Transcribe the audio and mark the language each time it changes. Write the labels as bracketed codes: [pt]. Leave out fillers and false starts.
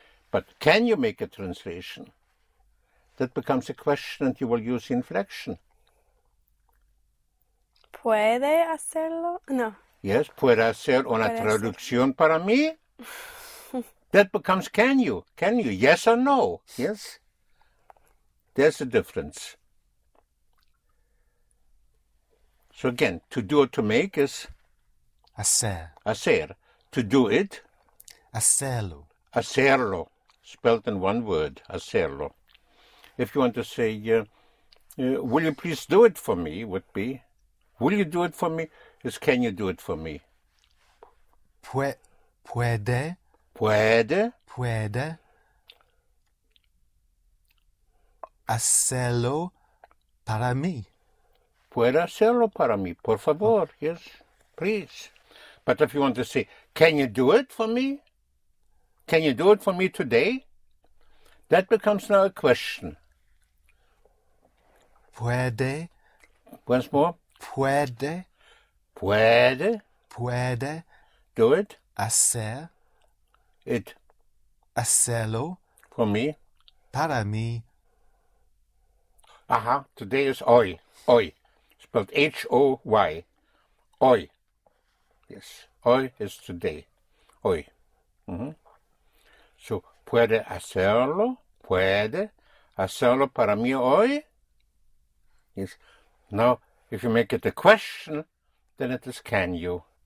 [en] But can you make a translation? That becomes a question and you will use inflection. [es] ¿Puede hacerlo? No. [en] Yes, [es] puede hacer una traducción para mí? [en] That becomes can you? Can you? Yes or no? Yes? There's a difference. So again, to do or to make is? [es] Hacer. [en] To do it? [es] Hacerlo. [en] Hacerlo. Spelt in one word, hacerlo. If you want to say, will you please do it for me, would be, will you do it for me, is can you do it for me? [es] Puede. Puede. Puede. Hacerlo para mí. Puede hacerlo para mí, por favor, oh. [en] Yes, please. But if you want to say, can you do it for me? Can you do it for me today? That becomes now a question. [es] Puede. [en] Once more. [es] Puede. Puede. Puede. [en] Do it. [es] Hacer. [en] It. [es] Hacerlo. [en] For me. [es] Para mí. [en] Aha. Today is hoy. Hoy. Spelled H-O-Y. Hoy. Yes. Hoy is today. Hoy. Mm-hmm. [es] So, puede hacerlo, puede hacerlo para mí hoy? [en] Yes. Now, if you make it a question, then it is can you.